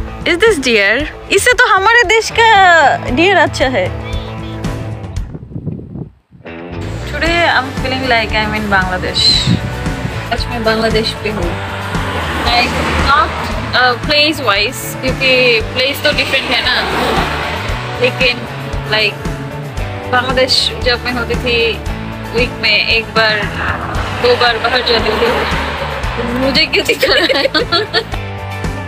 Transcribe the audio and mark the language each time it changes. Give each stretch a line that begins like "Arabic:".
English: Is this deer?
Hindi: इसे तो हमारे देश का डियर अच्छा है।
English: Today I'm feeling like I'm in Bangladesh.
Hindi: आज मैं बांग्लादेश पे हूँ।
English: Like not place wise,
Hindi: क्योंकि place तो different है ना। लेकिन like बांग्लादेश जब मैं होती थी week में एक बार दो बार बाहर जाती थी। मुझे क्यों दिखा रहा है?